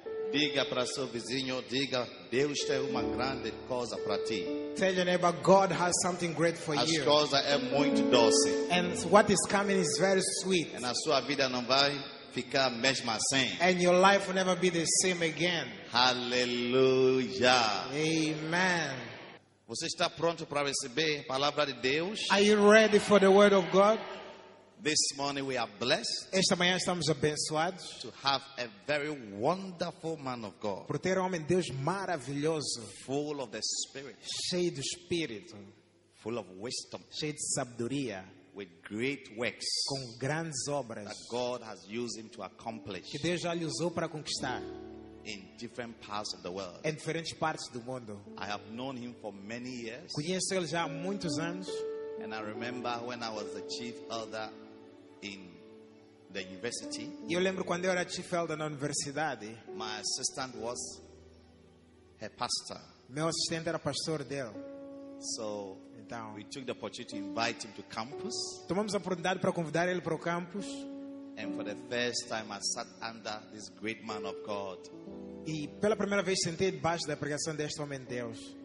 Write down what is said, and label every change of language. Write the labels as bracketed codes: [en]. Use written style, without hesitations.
[pt] Diga para seu vizinho, diga, Deus tem uma grande coisa para ti. [en] Tell your neighbor, God has something great for as you. [pt] As coisas é muito doce. [en] And what is coming is very sweet. [pt] E na sua vida não vai ficar mesmo assim. [en] And your life will never be the same again. Hallelujah. Amen. [pt] Você está pronto para receber a palavra de Deus? [en] Are you ready for the word of God? This morning we are blessed. [pt] Esta manhã estamos abençoados. [en] To have a very wonderful man of God. [pt] Por ter homem Deus maravilhoso. [en] Full of the Spirit. [pt] Cheio do Espírito. [en] Full of wisdom. [pt] Cheio de sabedoria. [en] With great works, [pt] com grandes obras, [en] that God has used him to accomplish, [pt] que Deus já lhe usou para conquistar, [en] in different parts of the world, [pt] em diferentes partes do mundo. [en] I have known him for many years, [pt] conheço ele já há muitos anos, [en] and I remember when I was the chief elder in the university. [pt] E eu lembro quando eu era [en] chief elder [pt] na universidade. [en] My assistant was her pastor. [pt] Meu assistente era pastor dele. [en] So. Down. We took the opportunity to invite him to campus. [pt] Tomamos a oportunidade para convidar ele para o campus. [en] And for the first time, I sat under this great man of God. [pt] E pela primeira vez sentei debaixo da pregação deste homem de Deus.